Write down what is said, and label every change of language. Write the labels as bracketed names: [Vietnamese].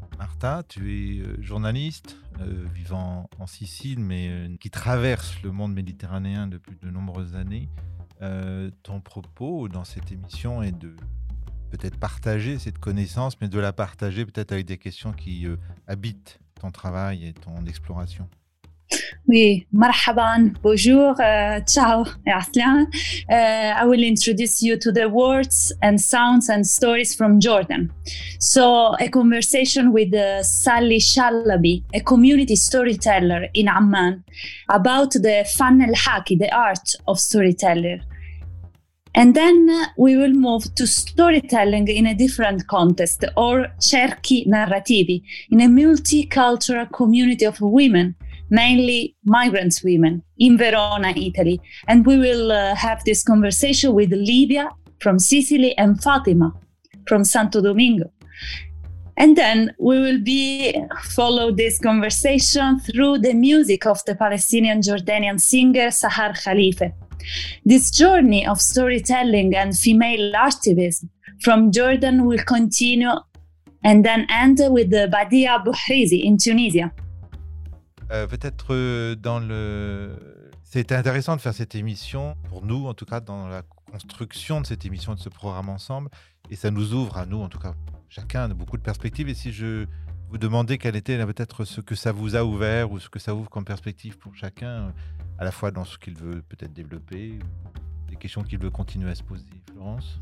[French] Marta, tu es journaliste vivant en Sicile, mais qui traverse le monde méditerranéen depuis de nombreuses années. Ton propos dans cette émission est de peut-être partager cette connaissance, mais de la partager peut-être avec des questions qui habitent ton travail et ton exploration. Oui, marhaban, bonjour, ciao, aslan. [English] I will introduce you to the words and sounds and stories from Jordan. So, a conversation with Sally Shalabi, a community storyteller in Amman, about the fun el haki, the art of storyteller. And then we will move to storytelling in a different context, or [Italian] cerchi narrativi, [English] in a multicultural community of women, mainly migrant women, in Verona, Italy. And we will have this conversation with Livia from Sicily and Fatima from Santo Domingo. And then we will be follow this conversation through the music of the Palestinian Jordanian singer Sahar Khalife. This journey of storytelling and female activism from Jordan will continue and then end with the Badia Bouhrizi in Tunisia. [French] Peut-être dans le... C'est intéressant de faire cette émission, pour nous en tout cas, dans la construction de cette émission, de ce programme ensemble, et ça nous ouvre à nous, en tout cas, chacun, beaucoup de perspectives. Et si je vous demander quel était peut-être ce que ça vous a ouvert ou ce que ça ouvre comme perspective pour chacun, à la fois dans ce qu'il veut peut-être développer, des questions qu'il veut continuer à se poser, Florence ?